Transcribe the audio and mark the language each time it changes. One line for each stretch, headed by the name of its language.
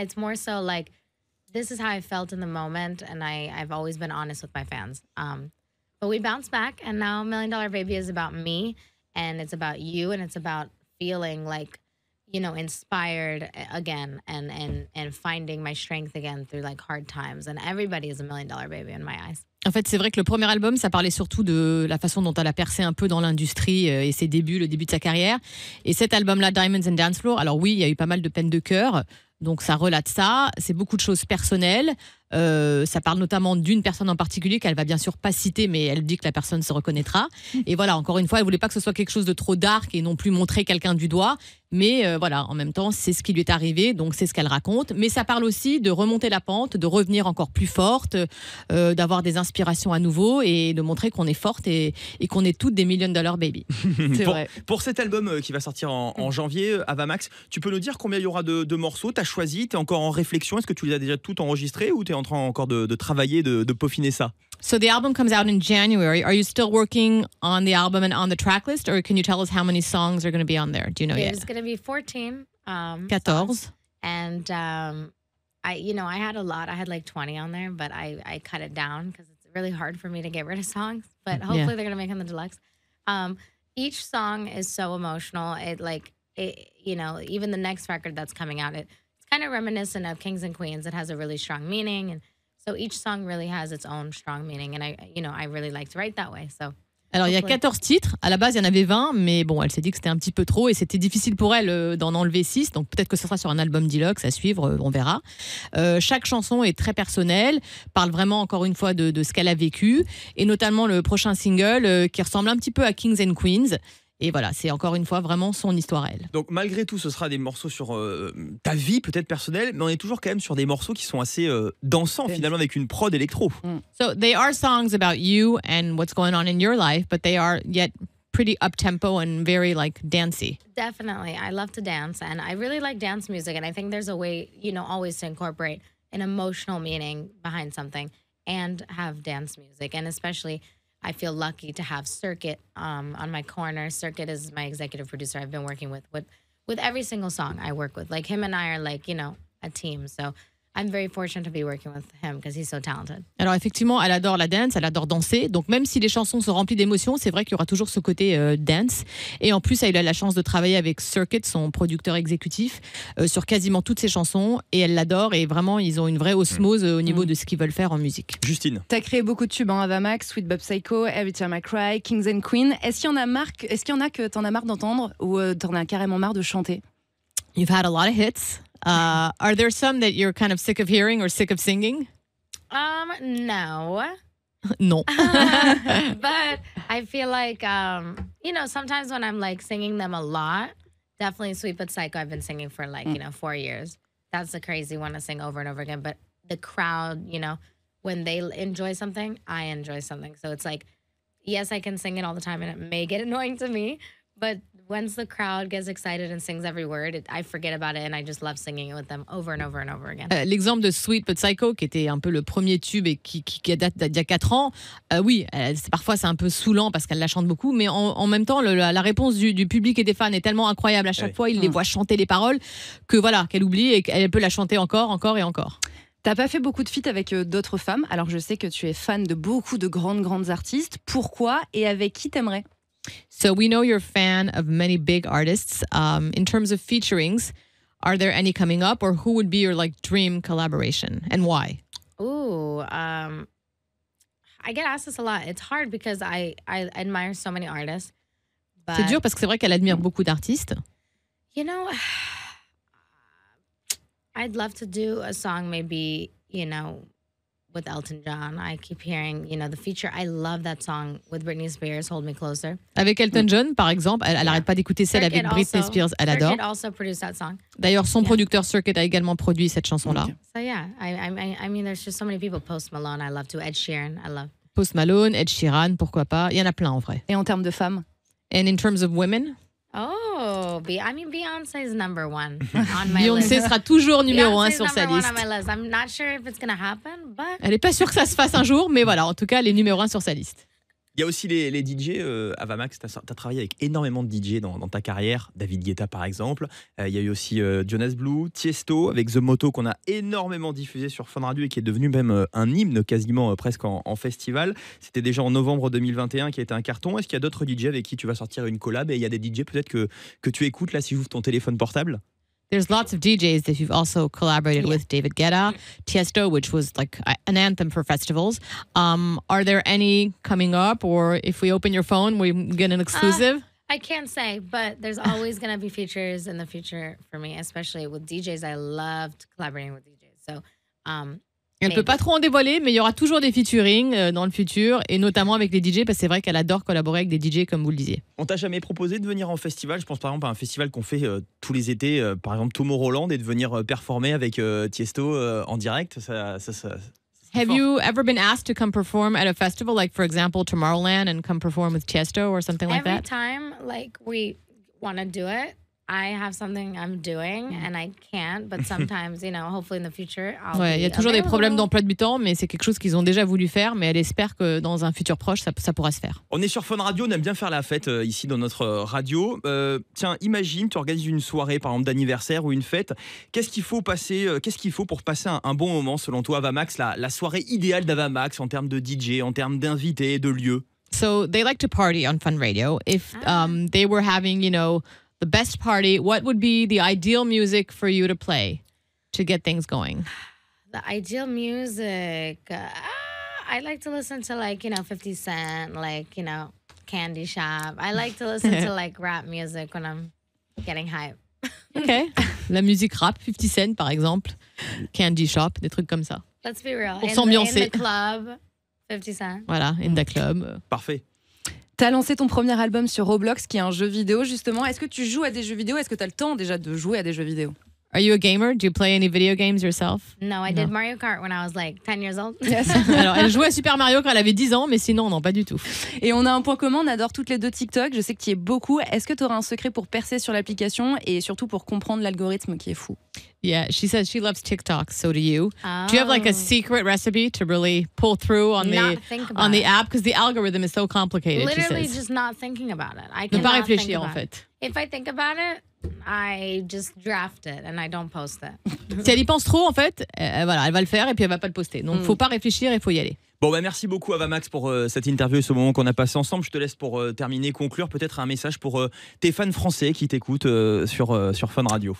English: It's more so like, this is how I felt in the moment. And I've always been honest with my fans. But we bounced back and now Million Dollar Baby is about me and it's about you. And it's about feeling like, you know, inspired again and finding my strength again through like hard times. And everybody is a Million Dollar Baby in my eyes.
French: En fait, c'est vrai que le premier album, ça parlait surtout de la façon dont elle a percé un peu dans l'industrie et ses débuts, le début de sa carrière. Et cet album-là, Diamonds and Dance Floor, alors oui, il y a eu pas mal de peines de cœur, donc ça relate ça. C'est beaucoup de choses personnelles. Ça parle notamment d'une personne en particulier qu'elle va bien sûr pas citer, mais elle dit que la personne se reconnaîtra. Et voilà, encore une fois, elle voulait pas que ce soit quelque chose de trop dark et non plus montrer quelqu'un du doigt. Mais voilà, en même temps, c'est ce qui lui est arrivé, donc c'est ce qu'elle raconte. Mais ça parle aussi de remonter la pente, de revenir encore plus forte, d'avoir des inspirations à nouveau et de montrer qu'on est forte et qu'on est toutes des Million Dollar Baby. C'est vrai. Pour cet album qui va sortir en janvier, Ava Max, tu peux nous dire combien il y aura de morceaux? T'as choisi, t'es encore en réflexion, est-ce que tu les as déjà toutes enregistrées ou t'es en train encore de travailler, de peaufiner ça?
English: So the album comes out in January. Are you still working on the album and on the tracklist, or can you tell us how many songs are going to be on there? Do you know yet? It's going to be 14. 14. And I had a lot. I had like 20 on there, but I cut it down because it's really hard for me to get rid of songs. But hopefully they're going to make on the deluxe. Each song is so emotional. Even the next record that's coming out, it's kind of reminiscent of Kings and Queens. It has a really strong meaning and. So each song really has its own strong meaning and I really like to write that way. So
French: alors il y a 14 titres, à la base il y en avait 20, mais bon, elle s'est dit que c'était un petit peu trop et c'était difficile pour elle d'en enlever 6, donc peut-être que ce sera sur un album deluxe à suivre, on verra. Chaque chanson est très personnelle, parle vraiment encore une fois de ce qu'elle a vécu et notamment le prochain single qui ressemble un petit peu à Kings and Queens. Et voilà, c'est encore une fois vraiment son histoire, elle. Donc malgré tout, ce sera des morceaux sur ta vie, peut-être personnelle, mais on est toujours quand même sur des morceaux qui sont assez dansants, finalement, avec une prod électro.
English: So, they are songs about you and what's going on in your life, but they are yet pretty up tempo and very like dancey. Definitely. I love to dance and I really like dance music. And I think there's a way, you know, always to incorporate an emotional meaning behind something and have dance music. And especially I feel lucky to have Circuit on my corner. Circuit is my executive producer. I've been working with every single song I work with. Like him and I are like, you know, a team. So I'm very fortunate to be working with him because he's so talented.
French: Alors effectivement, elle adore la dance, elle adore danser. Donc même si les chansons sont remplies d'émotions, c'est vrai qu'il y aura toujours ce côté dance. Et en plus, elle a eu la chance de travailler avec Circuit, son producteur exécutif, sur quasiment toutes ses chansons. Et elle l'adore et vraiment, ils ont une vraie osmose au niveau de ce qu'ils veulent faire en musique. Justine. T'as créé beaucoup de tubes, hein, Ava Max, Sweet Bob Psycho, Every Time I Cry, Kings and Queen. Est-ce qu'il y en a que t'en as marre d'entendre ou t'en as carrément marre de chanter?
English: You've had a lot of hits. Are there some that you're kind of sick of hearing or sick of singing? No. No. But I feel like, you know, sometimes when I'm like singing them a lot, definitely Sweet But Psycho, I've been singing for like, you know, 4 years. That's the crazy one to sing over and over again. But the crowd, you know, when they enjoy something, I enjoy something. So it's like, yes, I can sing it all the time and it may get annoying to me, but once the crowd gets excited and sings every word, I forget about it and I just love singing it with them over and over and over again.
French: L'exemple de Sweet But Psycho, qui était un peu le premier tube et qui date d'il y a 4 ans, oui, parfois c'est un peu saoulant parce qu'elle la chante beaucoup, mais en même temps, la réponse du public et des fans est tellement incroyable à chaque fois, ils les voient chanter les paroles, que voilà, qu'elle oublie et qu'elle peut la chanter encore, encore et encore. T'as pas fait beaucoup de feats avec d'autres femmes, alors je sais que tu es fan de beaucoup de grandes, grandes artistes. Pourquoi et avec qui t'aimerais?
English: So we know you're a fan of many big artists. In terms of featurings, are there any coming up or who would be your like dream collaboration and why? Ooh, I get asked this a lot. It's hard because I admire so many artists. But
French: c'est dur parce que c'est vrai qu'elle admire beaucoup d'artistes.
English: You know, I'd love to do a song maybe, you know, with Elton John. I keep hearing, you know, the feature. I love that song with Britney Spears, Hold Me Closer.
French: Avec Elton John, par exemple, elle n'arrête pas d'écouter celle avec Britney Spears, elle adore.
English: Circuit also produced that song.
French: D'ailleurs, son producteur Circuit a également produit cette chanson-là.
English: So yeah, I mean, there's just so many people. Post Malone, I love too. Ed Sheeran, I love.
French: Post Malone, Ed Sheeran, pourquoi pas? Il y en a plein en vrai. Et en termes de femmes?
English: And in terms of women? Oh, I mean, Beyoncé is number one on my Beyoncé list.
French: Beyoncé sera toujours numéro un sur sa liste.
English: Number one on my list. I'm not sure if it's going to happen, but...
French: Elle n'est pas sûre que ça se fasse un jour, mais voilà, en tout cas, elle est numéro un sur sa liste. Il y a aussi les DJ, Ava Max, t'as travaillé avec énormément de DJ dans ta carrière, David Guetta par exemple, il y a eu aussi Jonas Blue, Tiesto avec The Motto qu'on a énormément diffusé sur Fun Radio et qui est devenu même un hymne quasiment presque en festival, c'était déjà en novembre 2021 qui a été un carton. Est-ce qu'il y a d'autres DJ avec qui tu vas sortir une collab et il y a des DJ peut-être que tu écoutes là si j'ouvre ton téléphone portable?
English: There's lots of DJs that you've also collaborated with, David Guetta, Tiesto, which was like an anthem for festivals. Are there any coming up, or if we open your phone, we get an exclusive? I can't say, but there's always going to be features in the future for me, especially with DJs. I loved collaborating with DJs. So,
French: elle ne peut pas trop en dévoiler, mais il y aura toujours des featuring dans le futur, et notamment avec les DJ, parce que c'est vrai qu'elle adore collaborer avec des DJ, comme vous le disiez. On t'a jamais proposé de venir en festival? Je pense par exemple à un festival qu'on fait tous les étés, par exemple Tomorrowland, et de venir performer avec Tiesto en direct.
English: Have you ever been asked to come perform at a festival, like for example Tomorrowland, and come perform with Tiesto or something like that? Every time like we want to do it, I have something I'm doing and I can't, but sometimes, you know, hopefully in the future, I'll
French: Ouais, il y a toujours des problèmes d'emploi du temps, mais c'est quelque chose qu'ils ont déjà voulu faire, mais elle espère que dans un futur proche, ça pourra se faire. On est sur Fun Radio, on aime bien faire la fête ici dans notre radio. Tiens, imagine, tu organises une soirée, par exemple, d'anniversaire ou une fête. Qu'est-ce qu'il faut pour passer un bon moment, selon toi, Ava Max, la soirée idéale d'Ava Max en termes de DJ, en termes d'invités, de lieux?
English: So, they like to party on Fun Radio. If they were having, you know, the best party, what would be the ideal music for you to play to get things going? The ideal music, I like to listen to like, you know, 50 Cent, like, you know, Candy Shop. I like to listen to like rap music when I'm getting hype. Okay.
French: La musique rap, 50 Cent par exemple, Candy Shop, des trucs comme ça.
English: Let's be real.
French: Pour s'ambiancer.
English: In the club, 50 Cent. Voilà, in the club.
French: Parfait. T'as lancé ton premier album sur Roblox, qui est un jeu vidéo justement. Est-ce que tu joues à des jeux vidéo? Est-ce que t'as le temps déjà de jouer à des jeux vidéo?
English: Are you a gamer? Do you play any video games yourself? No, I did Mario Kart when I was like 10 years old. Yes.
French: Alors, elle jouait à Super Mario quand elle avait 10 ans, mais sinon, non, pas du tout. Et on a un point commun, on adore toutes les deux TikTok. Je sais que tu y es beaucoup. Est-ce que tu auras un secret pour percer sur l'application et surtout pour comprendre l'algorithme qui est fou?
English: Yeah, she says she loves TikTok, so do you. Oh. Do you have like a secret recipe to really pull through on the app? Because the algorithm is so complicated, literally, she says. Literally just not thinking about it.
French: Ne pas réfléchir, en fait.
English: If I think about it, I just draft it and I don't post it.
French: Si elle y pense trop, en fait, voilà, elle va le faire et puis elle va pas le poster. Donc, faut pas réfléchir et faut y aller. Bon, bah merci beaucoup Ava Max pour cette interview et ce moment qu'on a passé ensemble. Je te laisse pour terminer, conclure, peut-être un message pour tes fans français qui t'écoutent sur Fun Radio.